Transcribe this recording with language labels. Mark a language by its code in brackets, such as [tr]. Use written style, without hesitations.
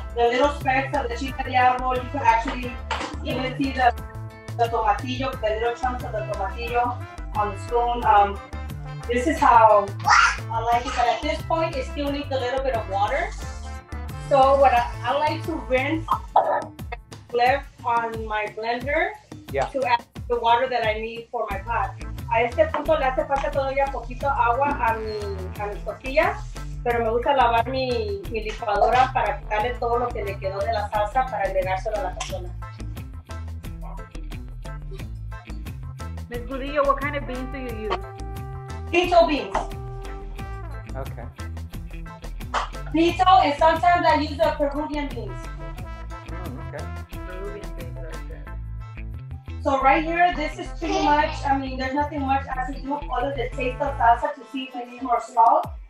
[en] The little specks of the chile diablo, you can actually even see the tomatillo, the little chunks of the tomatillo on the spoon. This is how I like it, but at this point, it still needs a little bit of water. So what I like to rinse left on my blender. Yeah. To add the water that I need for my pot. [es] A este punto le hace falta todavía poquito agua a mis costillas, pero me gusta lavar mi licuadora para quitarle todo lo que le quedó de la salsa para agregárselo a la persona. [en] Ms. Gudillo, what kind of beans do you use? Pinto beans. Okay. Pinto, and sometimes I use the Peruvian beans. So right here, this is pretty much, I mean, there's nothing much I can do other than taste the salsa to see if I need more salt.